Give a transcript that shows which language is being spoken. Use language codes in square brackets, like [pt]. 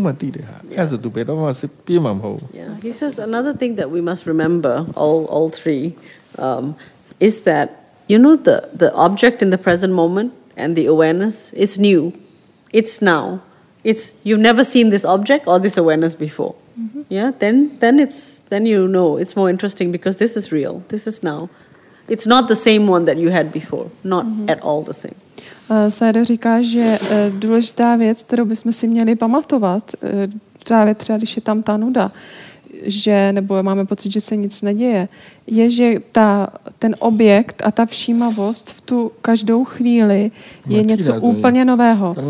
[cs] Maličko, ještě jsem maličko. [en] He says another thing that we must remember, all three, is that, you know, the object in the present moment and the awareness, it's new, it's now. It's you've never seen this object or this awareness before. Mm-hmm. Yeah, then you know it's more interesting because this is real. This is now. It's not the same one that you had before. Not mm-hmm. at all the same. [cs] Sáda říká, že důležitá věc, kterou bychom si měli pamatovat, právě třeba, když je tam ta nuda, že nebo máme pocit, že se nic neděje, je, že ten objekt a ta všímavost v tu každou chvíli je něco úplně nového.